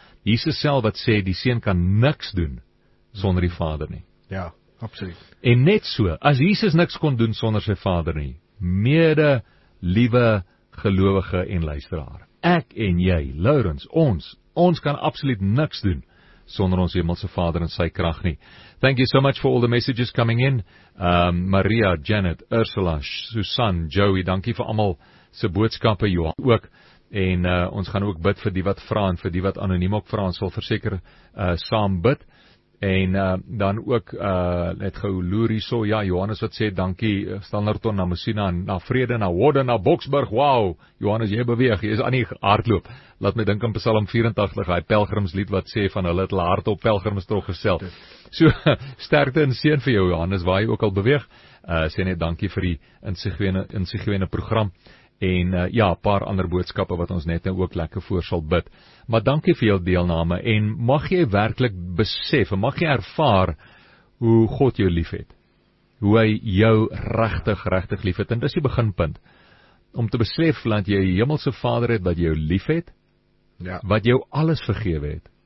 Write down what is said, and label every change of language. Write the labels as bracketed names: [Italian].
[Afrikaans] Jesus self wat sê die Seun kan niks doen sonder die Vader nie. Ja. Absoluut. En net so, as Jesus niks kon doen sonder sy Vader nie, mede liewe gelowige en luisteraar. Ek en jy, Lourens, ons kan absoluut niks doen sonder ons Hemelse Vader en sy krag nie. [English] Thank you so much for all the messages coming in. [Afrikaans] Maria, Janet, Ursula, Susan, Joey, dankie vir almal se boodskappe, Johan ook. En ons gaan ook bid vir die wat vra en vir die wat anoniem ook vra, ons sal verseker saam bid. En dan ook het gou loer hierso. Ja, Johannes wat sê dankie Standerton na Musina na Vrede na Woden na Boksburg. Wow, Johannes jy beweeg, jy is aan die hardloop. Laat my dink aan Psalm 84, hy pelgrimslied wat sê van hulle het hulle hart op pelgrimstog gesel. So sterkte en seën vir jou Johannes waar jy ook al beweeg. Sê net dankie vir die insiggewende program. En ja, paar ander boodskappe wat ons net nou ook lekker voor sal bid. Maar dankie vir jou deelname en mag jy werklik besef en mag jy ervaar hoe God jou lief het. Hoe hy jou regtig, regtig lief het. En dis die beginpunt. Om te besef dat jy Hemelse Vader het wat jou lief het, ja. Wat jou alles vergewe het.